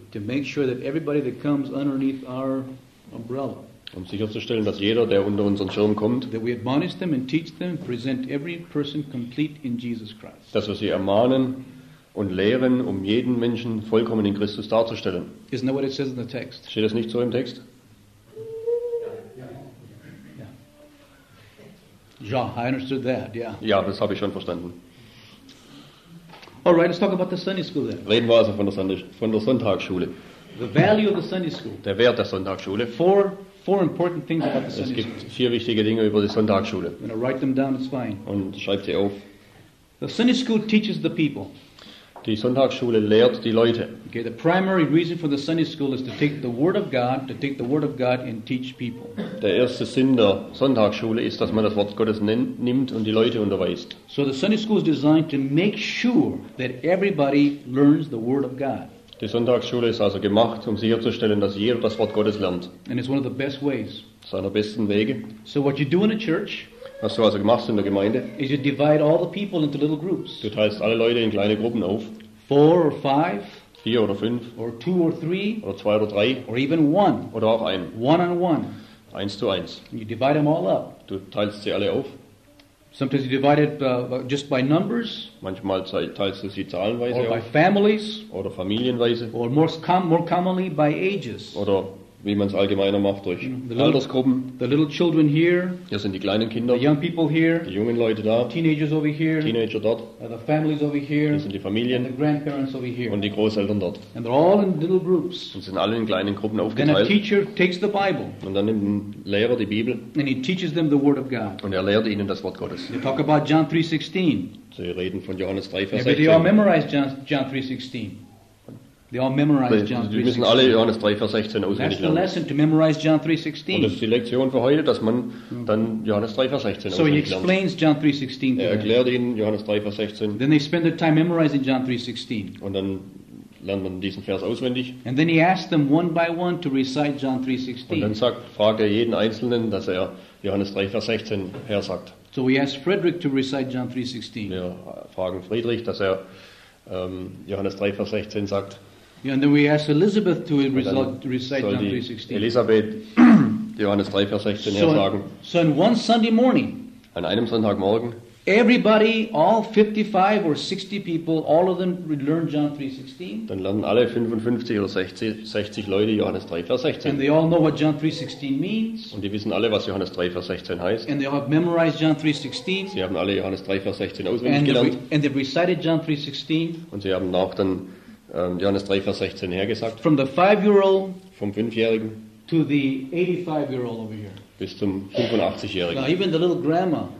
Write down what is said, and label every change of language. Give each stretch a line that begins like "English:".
English: To make sure that everybody that comes underneath our umbrella.
German: Um sicherzustellen, dass jeder, der unter unseren Schirm kommt, dass wir sie ermahnen und lehren, um jeden Menschen vollkommen in Christus darzustellen.
English: Isn't that what it says in the text?
German: Steht das nicht so im Text? Ja, yeah.
English: Yeah, I understood that, yeah.
German: Ja, das habe ich schon verstanden.
English: All right, let's talk about the Sunday school then.
German: Reden wir also von der Sonntagsschule.
English: The value of the Sunday school.
German: Der Wert der Sonntagsschule.
English: Four important things about the Sunday school.
German: Es gibt vier wichtige Dinge über die Sonntagsschule.
English: And I write them down, it's fine.
German: Und schreib sie auf.
English: The Sunday school teaches the people.
German: Die Sonntagsschule lehrt die Leute.
English: Okay, the primary reason for the Sunday school is to take the word of God, to take the word of God and teach people.
German: Der erste Sinn der Sonntagsschule ist, dass man das Wort Gottes nimmt und die Leute unterweist.
English: So the Sunday school is designed to make sure that everybody learns the word of God.
German: Die Sonntagsschule ist also gemacht, um sicherzustellen, dass jeder das Wort Gottes lernt.
English: And it's one of the best ways.
German: Das ist einer der besten Wege.
English: So what you do in a church,
German: was du also machst in der Gemeinde,
English: is you divide all the people into little groups.
German: Du teilst alle Leute in kleine Gruppen auf.
English: Four or five.
German: Vier oder fünf.
English: Or two or three.
German: Oder zwei oder drei.
English: Or even one.
German: Oder auch einen.
English: One on one.
German: Eins zu eins.
English: And you divide them all up.
German: Du teilst sie alle auf.
English: Sometimes you divide it just by numbers.
German: Manchmal teilst du sie zahlenweise
English: or By families.
German: Oder familienweise.
English: Or more commonly by ages.
German: Oder wie man es allgemeiner macht durch Altersgruppen.
English: The little children here.
German: Hier sind die kleinen Kinder.
English: The young people here.
German: Die jungen Leute da.
English: Teenagers over here.
German: Teenager dort.
English: The families over here.
German: Hier sind die Familien.
English: And the grandparents over here.
German: Und die Großeltern dort.
English: And they're all in little groups.
German: Und sind alle in kleinen Gruppen aufgeteilt.
English: Then a teacher takes the Bible.
German: Und dann nimmt ein Lehrer die Bibel.
English: And he teaches them the word of God.
German: Und er lehrt ihnen das Wort Gottes.
English: They talk about John 3:16.
German: Sie reden von Johannes 3, Vers
English: 16. Maybe they all memorize John 3:16. They all memorize John 3:16.
German: Wir müssen alle Johannes 3, Vers 16 auswendig lernen.
English: That's the lesson to memorize John 3:16.
German: Und das ist die Lektion für heute, dass man dann Johannes 3, Vers 16 auswendig lernt.
English: So he explains John 3:16 to them.
German: Er erklärt ihnen Johannes 3, Vers 16.
English: Then they spend their time memorizing John 3:16.
German: Und dann lernt man diesen Vers auswendig.
English: And then he asks them one by one to recite John 3:16.
German: Und dann fragt er jeden Einzelnen, dass er Johannes 3, Vers 16 her sagt.
English: So we ask Frederick to recite John 3:16.
German: Wir fragen Friedrich, dass er Johannes 3, Vers 16 sagt.
English: Yeah, and then we ask Elizabeth to recite John 3:16.
German: Elisabeth, Johannes 3, Vers 16 her sagen.
English: So on one Sunday morning,
German: an einem Sonntagmorgen,
English: everybody, all 55 or 60 people, all of them learn John 3:16.
German: Dann lernen alle 55 oder 60 Leute Johannes 3, Vers 16.
English: And they all know what John 3:16 means.
German: Und die wissen alle, was Johannes 3, Vers 16 heißt.
English: And they all have memorized John 3:16.
German: Sie haben alle Johannes 3, Vers 16 auswendig gelernt.
English: And they recited John 3:16.
German: Und sie haben auch dann Johannes 3, Vers 16 hergesagt.
English: From the 5-year-old
German: vom 5-Jährigen
English: to the 85-year-old over here.
German: Bis zum 85-Jährigen.
English: Now, even the little grandma,